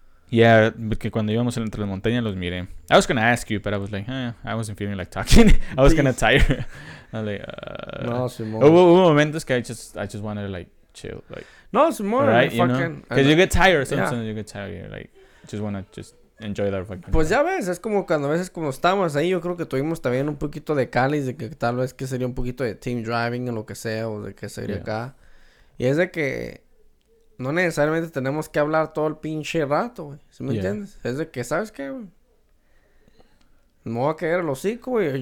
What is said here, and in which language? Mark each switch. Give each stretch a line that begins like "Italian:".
Spanish: Yeah, porque cuando íbamos entre las montañas los miré.
English: I was gonna ask you, but I was like, I wasn't feeling like talking. I was kinda tired. I'm like,
Spanish: No, Simón. Hubo momentos que
English: I just wanted to like chill, like.
Spanish: No, Simón.
English: Right, you know. Because you get tired sometimes. Yeah. You get tired, you're like, just wanna just enjoy that fucking.
Spanish: Pues ya ves, es como cuando a veces como estamos ahí, yo creo que tuvimos también un poquito de cáliz, de que tal vez que sería un poquito de team driving o lo que sea, o de que sería acá. Y es de que no necesariamente tenemos que hablar todo el pinche rato, güey. ¿Sí me entiendes? Es de que, ¿sabes qué, güey? Me voy a caer el hocico, güey.